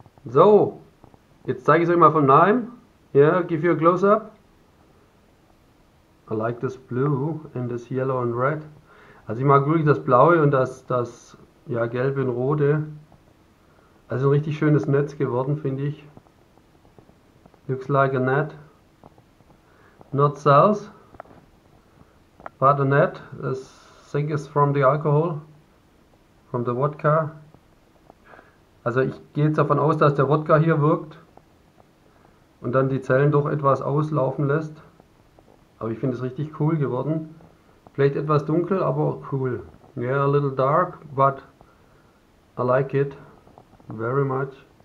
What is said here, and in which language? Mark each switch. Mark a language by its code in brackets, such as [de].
[de] So, jetzt zeige ich es euch mal von nahem. [en] Yeah, give you a close up. I like this blue and this yellow and red. [de] Also ich mag wirklich das blaue und das ja, gelbe und rote. Also ein richtig schönes Netz geworden, finde ich. [en] Looks like a net. Not cells, but a net. This thing is from the alcohol, from the vodka. [de] Also ich gehe jetzt davon aus, dass der Wodka hier wirkt und dann die Zellen doch etwas auslaufen lässt. Aber ich finde es richtig cool geworden. Vielleicht etwas dunkel, aber cool. [en] Yeah, a little dark, but I like it very much.